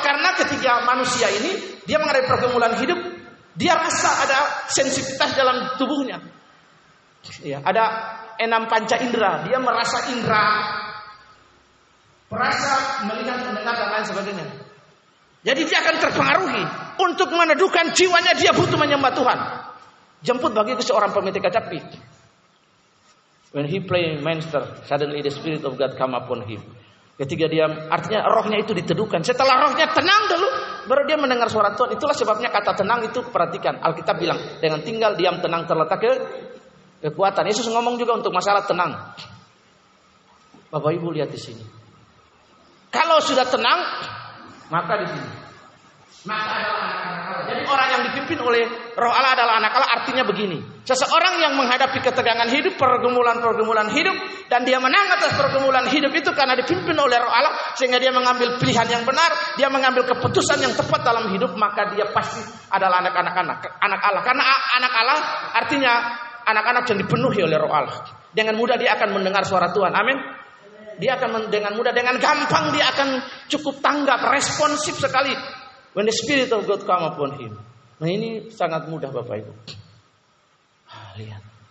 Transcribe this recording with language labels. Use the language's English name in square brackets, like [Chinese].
[Indonesian] Karena ketika manusia ini, dia menghadapi pergumulan hidup, dia rasa ada sensitivitas dalam tubuhnya. Ya. Ada 6 panca indera. Dia merasa indera, merasa melihat, mendengar, dan lain sebagainya. Jadi dia akan terpengaruhi. Untuk meneduhkan jiwanya, dia butuh menyembah Tuhan. Jemput bagi seorang pemetik kecapi. [English] When he play minstrel, suddenly the spirit of God come upon him. [Indonesian] Ketika dia, artinya rohnya itu diteduhkan. Setelah rohnya tenang dulu, baru dia mendengar suara Tuhan. Itulah sebabnya kata tenang itu, perhatikan. Alkitab bilang, dengan tinggal diam tenang terletak kekuatan. Yesus ngomong juga untuk masalah tenang. Bapak Ibu lihat di sini. Kalau sudah tenang, maka di sini. Maka adalah anak Allah. Jadi orang yang dipimpin oleh Roh Allah adalah anak Allah, artinya begini. Seseorang yang menghadapi ketegangan hidup, pergumulan-pergumulan hidup, dan dia menang atas pergumulan hidup itu karena dipimpin oleh Roh Allah, sehingga dia mengambil pilihan yang benar, dia mengambil keputusan yang tepat dalam hidup, maka dia pasti adalah anak Allah. Karena anak Allah artinya anak-anak yang dipenuhi oleh Roh Allah. Dengan mudah dia akan mendengar suara Tuhan. Amin. Dia akan dengan mudah, dengan gampang dia akan cukup tanggap, responsif sekali. [English] When the spirit of God come upon him. [Indonesian] Nah ini sangat mudah Bapak Ibu. Lihat.